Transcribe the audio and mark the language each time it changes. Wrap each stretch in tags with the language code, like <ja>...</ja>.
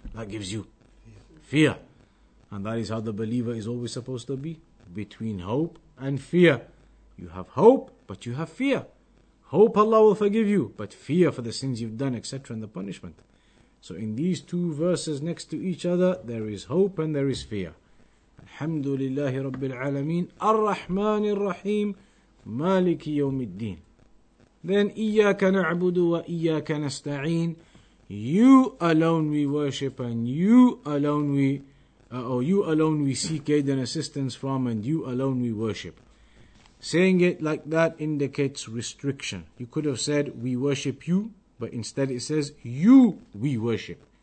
<en>That gives you fear. And that is how the believer is always supposed to be. Between hope and fear. You have hope, but you have fear. Hope Allah will forgive you, but fear for the sins you've done, etc., and the punishment. So in these two verses next to each other, there is hope and there is fear.</en> <ar>الحمد لله رب العالمين الرحمن الرحيم مالك يوم الدين. Then إياك نعبد وإياك نستعين.</ar> <en>You alone we worship and you alone we seek aid and assistance from, and you alone we worship. Saying it like that indicates restriction. You could have said we worship you, but instead it says you we worship.</en>